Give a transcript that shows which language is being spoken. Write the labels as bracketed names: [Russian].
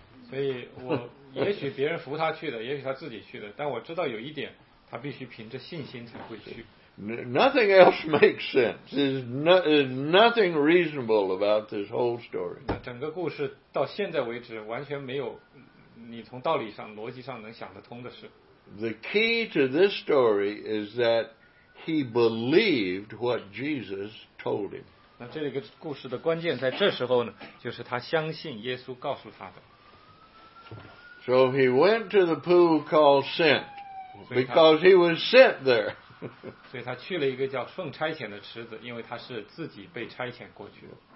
[Chinese] 所以我也许别人扶他去的，也许他自己去的，但我知道有一点，他必须凭着信心才会去。 [English] Nothing else makes sense. There's nothing reasonable about this whole story. [Chinese] 那整个故事到现在为止完全没有你从道理上、逻辑上能想得通的事。 [English] The key to this story is that he believed what Jesus told him. [Chinese] 那这个故事的关键在这时候呢，就是他相信耶稣告诉他的。 [English] So he went to the pool called Sent because he was sent there. [Chinese] 所以他去了一个叫奉差遣的池子，因为他是自己被差遣过去的。